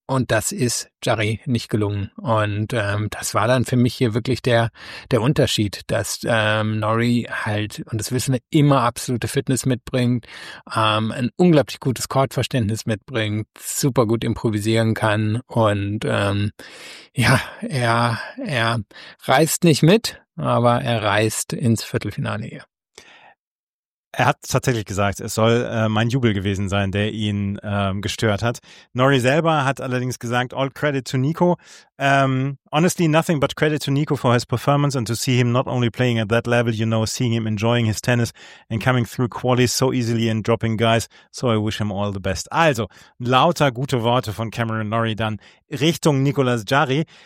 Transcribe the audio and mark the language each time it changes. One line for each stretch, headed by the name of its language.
German: Und das ist Jarry nicht gelungen. Und das war dann für mich hier wirklich der Unterschied, dass Norrie halt, und das wissen wir, immer absolute Fitness mitbringt, ein unglaublich gutes Chordverständnis mitbringt, super gut improvisieren kann. Und er reißt nicht mit, aber er reißt ins Viertelfinale hier. Er hat tatsächlich gesagt, es soll mein Jubel gewesen sein, der ihn gestört hat. Norrie selber hat allerdings gesagt,
English: all credit to Nico. Honestly, nothing but credit to Nico for his performance and to see him not only playing at that level, you know, seeing him enjoying his tennis and coming through qualies so easily and dropping guys. So I wish him all the best.
German: Also, lauter gute Worte von Cameron Norrie dann Richtung Nicolas Jarry.